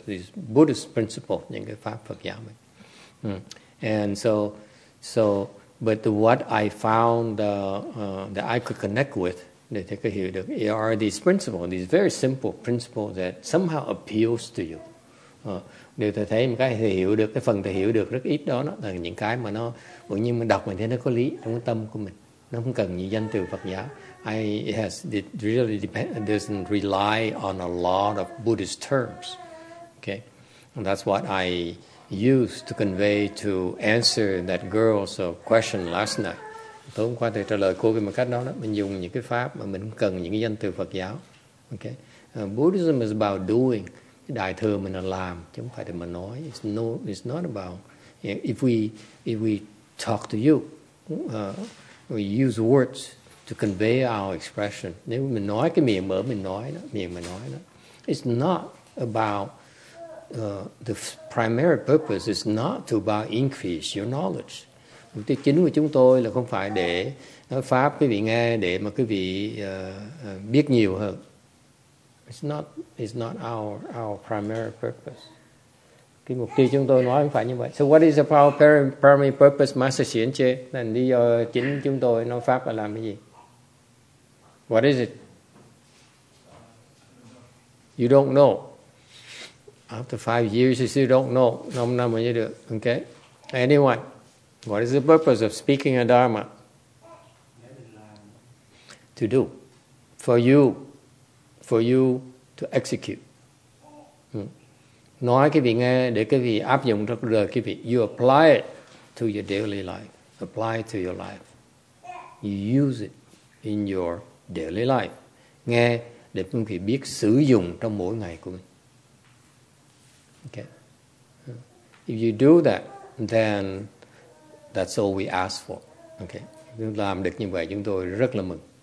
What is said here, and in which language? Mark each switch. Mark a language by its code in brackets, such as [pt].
[en] These Buddhist principles, [vi] những cái pháp Phật giáo. Mm. [en] And so, but what I found that I could connect with, [vi] để thấy cái hiểu được, [en] are these principles, these very simple principles that somehow appeals to you. [vi] Điều tôi thấy một cái thì hiểu được, cái phần tôi hiểu được rất ít đó, đó là những cái mà nó, tự nhiên mình đọc mình thấy nó có lý trong cái tâm của mình. Nó không cần những danh từ Phật giáo. [en] It doesn't rely on a lot of Buddhist terms. Okay? And that's what I used to convey to answer that girl's question last night. [vi] Tối hôm qua tôi trả lời cô cái một cách đó, đó. Mình dùng những cái pháp mà mình không cần những cái danh từ Phật giáo. Okay? [en] Buddhism is about doing. [vi] Đại thừa mình là làm, chứ không phải để mà nói. [en] It's not about, if we talk to you, we use words to convey our expression. [vi] Nếu mình nói cái miệng mở, mình nói đó, miệng mà nói đó. [en] It's not about, the primary purpose is not to about increase your knowledge. [vi] Mục tiêu chính của chúng tôi là không phải để nói pháp quý vị nghe, để mà quý vị biết nhiều hơn. [en] It's not our primary purpose. [vi] Cái mục tiêu chúng tôi nói không phải như vậy. [en] So what is our primary purpose, Master Xuyến Chê? [vi] Là lý do chính chúng tôi nói pháp là làm cái gì? [en] What is it? You don't know. After 5 years, you still don't know. [vi] 5 năm mới được. [en] Okay. Anyway, what is the purpose of speaking a dharma? To do. For you to execute. [vi] Nói cái vị nghe để cái vị áp dụng trong đời cái vị. [en] You apply it to your daily life. Apply it to your life. You use it in your daily life. [vi] Nghe để quý vị biết sử dụng trong mỗi ngày của mình. [en] Okay. If you do that, then that's all we ask for. Okay. [vi] Làm được như vậy chúng tôi rất là mừng.